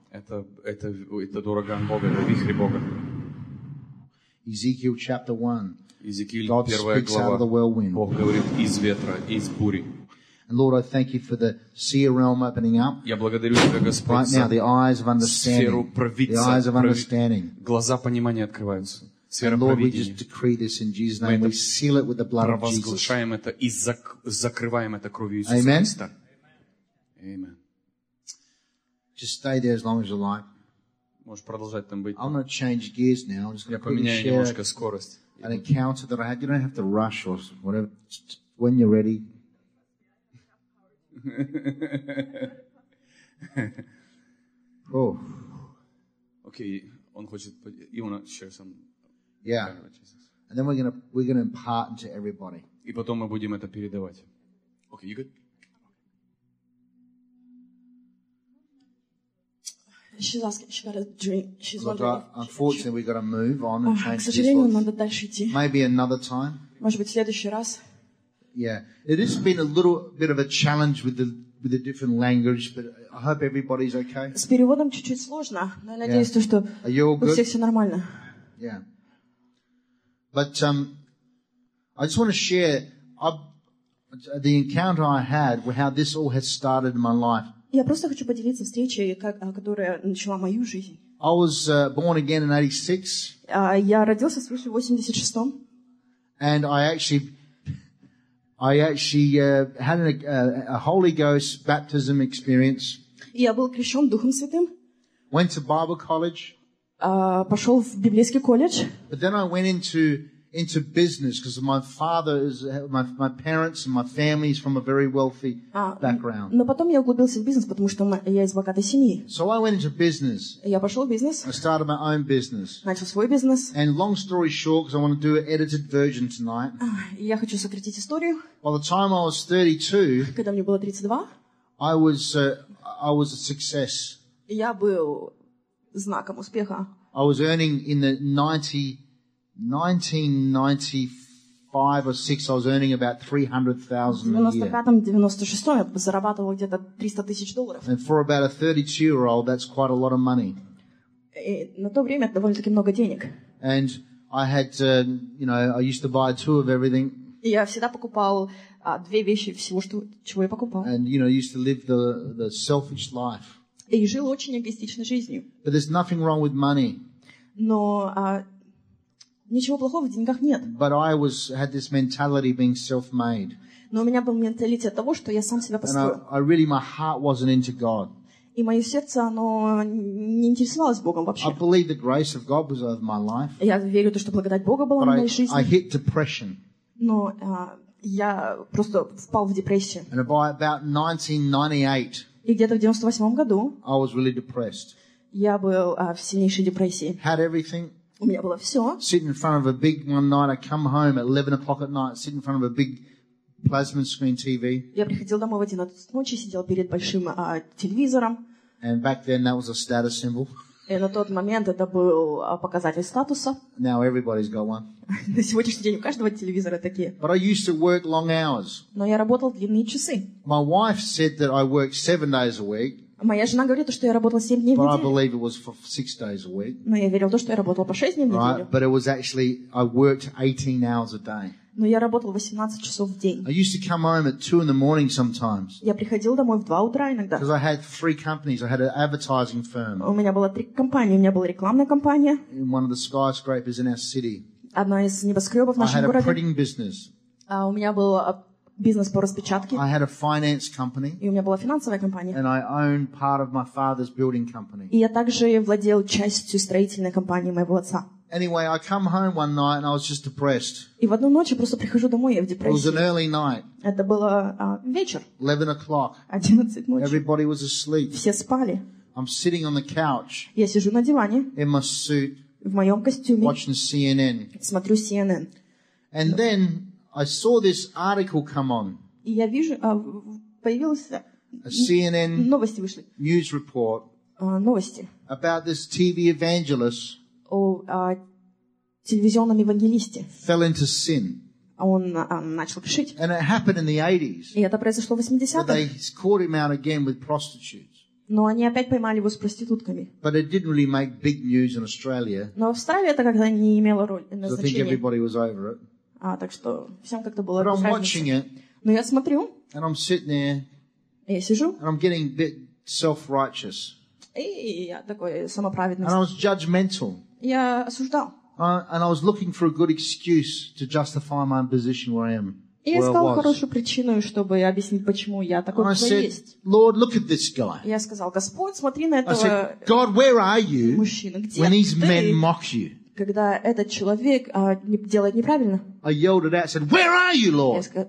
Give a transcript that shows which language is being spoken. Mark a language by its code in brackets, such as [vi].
[ru] Это ураган Бога, это вихрь Бога. [en] Ezekiel chapter 1. Ezekiel, God speaks out of the whirlwind. [ru] Бог говорит из ветра, из бури. [en] And Lord, I thank you for the seer realm opening up. [ru] Я благодарю тебя, Господь. [en] Right now, the eyes of understanding. The eyes of understanding. [ru] Глаза понимания открываются. Сфера [en] Lord, we just decree this in Jesus' name. We seal it with the blood of Jesus. [ru] Провозглашаем это и закрываем это кровью Иисуса Христа. [en] Amen. Just stay there as long as you like. [ru] Можешь продолжать там быть. [en] I'm going to change gears now. I'm just going to share. [ru] Я поменяю немножко скорость. [en] An encounter that I had. You don't have to rush or whatever. Just when you're ready. Okay, [ru] он хочет. [en] You want to share some? Yeah. And then we're gonna impart to everybody. [ru] И потом мы будем это передавать. [en] Okay, you good? She's asking. She got a drink. She's Look, wondering. Unfortunately, we got to move on and change. [ru] К сожалению, надо дальше идти. [en] Maybe another time. [ru] Может быть, в следующий раз. [en] Yeah, it has been a little bit of a challenge with the different language, but I hope everybody's okay. [ru] С переводом чуть-чуть сложно, но я надеюсь, то, что у всех все нормально. [en] Yeah. But I just want to share the encounter I had with how this all has started in my life. [ru] Я просто хочу поделиться встречей, которая начала мою жизнь. [en] I was born again in 86. [ru] Я родился свыше в 86-м. [en] And I actually had a Holy Ghost baptism experience. [ru] Я был крещен Духом Святым. [en] Went to Bible college. [ru] Пошел в библейский колледж. [en] But then I went into business because my father is my parents and my family is from a very wealthy background. [ru] Но потом я углубился в бизнес, потому что я из богатой семьи. [en] So I went into business. [ru] Я пошел в бизнес. [en] I started my own business. [ru] Начал свой бизнес. [en] And long story short, because I want to do an edited version tonight. [ru] Я хочу сократить историю. [en] By the time I was 32, [ru] когда мне было 32, [en] I was a success. [ru] Я был знаком успеха. [en] I was earning in the 1995 or 6, I was earning about $300,000 a year. [ru] В 95-96 я зарабатывал где-то 300 тысяч долларов. [en] And for about a 32-year-old, that's quite a lot of money. [ru] И на то время это довольно-таки много денег. [en] And I had, I used to buy two of everything. [ru] И я всегда покупал две вещи всего, чего я покупал. [en] And, I used to live the selfish life. [ru] И жил очень эгоистичной жизнью. [en] But there's nothing wrong with money. [ru] Но ничего плохого в деньгах нет. [en] But I had this mentality being self-made. [ru] Но у меня был менталитет того, что я сам себя построил. [en] And my heart wasn't into God. [ru] И мое сердце, оно не интересовалось Богом вообще. [en] I believe the grace of God was over my life. [ru] Я верю в то, что благодать Бога была [en] But [ru] в моей жизни. [en] I hit depression. [ru] Но я просто впал в депрессию. [en] And by about 1998, [ru] и где-то в 98 году [en] I was really depressed. [ru] Я был в сильнейшей депрессии. [en] Had everything. [ru] У меня было все. [en] Sitting in front of a big one night, I come home at 11 o'clock at night, sitting in front of a big plasma screen TV. [ru] Я приходил домой в 11 ночи, сидел перед большим телевизором. [en] And back then that was a status symbol. [ru] И на тот момент это был показатель статуса. [en] Now everybody's got one. [ru] На сегодняшний день у каждого телевизора такие. [en] But I used to work long hours. [ru] Но я работал длинные часы. [en] My wife said that I worked 7 days a week. [ru] Моя жена говорит, что я работала 7 дней в неделю. [en] But I believe it was for 6 days a week. [ru] Но я верил то, что я работала по 6 дней в неделю. [en] Right? But it was actually I worked 18 hours a day. [ru] Но я работал 18 часов в день. [en] I used to come home at 2 in the morning sometimes. [ru] Я приходил домой в 2 утра иногда. [en] Because I had 3 companies. I had an advertising firm. [ru] У меня было 3 компании. У меня была рекламная компания. [en] In one of the skyscrapers in our city. [ru] Одна из небоскребов в нашем городе. [en] I had a printing business. [ru] У меня был бизнес по распечатке. [en] I had a finance company. [ru] И у меня была финансовая компания. [en] And I owned part of my father's building company. [ru] И я также владел частью строительной компании моего отца. [en] Anyway, I come home one night and I was just depressed. [ru] И в одну ночь я просто прихожу домой, я в депрессии. [en] It was an early night. [ru] Это было вечер. [en] 11 o'clock. [ru] 11 ночи. [en] Everybody was asleep. [ru] Все спали. [en] I'm sitting on the couch. [ru] Я сижу на диване. [en] In my suit. [ru] В моем костюме. [en] Watching CNN. [ru] Смотрю CNN. [en] And then I saw this article come on. [ru] И я вижу, появился. [en] A CNN. [ru] Новости вышли. [en] News report. [ru] Новости. [en] About this TV evangelist. [ru] О телевизионном евангелисте. [en] Fell into sin. [ru] Он начал грешить. [en] And it happened in the 80s. [ru] И это произошло в 80-х. [en] But they caught him out again with prostitutes. [ru] Но они опять поймали его с проститутками. [en] But it didn't really make big news in Australia. [ru] Но в Австралии это как-то не имело роли, значения. [en] So I think everybody was over it. [ru] Так что всем как-то было. [en] But I'm watching it. [ru] Но я смотрю. [en] And I'm sitting there. [ru] И я сижу. [en] And I'm getting a bit self-righteous. [ru] И я такой самоправедный. [en] And I was judgmental. [ru] Я осуждал. [en] And I was looking for a good excuse to justify my position where I am. [ru] И я искал хорошую причину, чтобы объяснить, почему я такой, какой есть. [en] And I said, Lord, look at this guy. [ru] Я сказал, Господь, смотри на этого. [en] I said, God, where are you? [ru] Мужчина, где ты? [en] When these men mock you. [ru] Когда этот человек делает неправильно. [en] I yelled it out, said, where are you, Lord?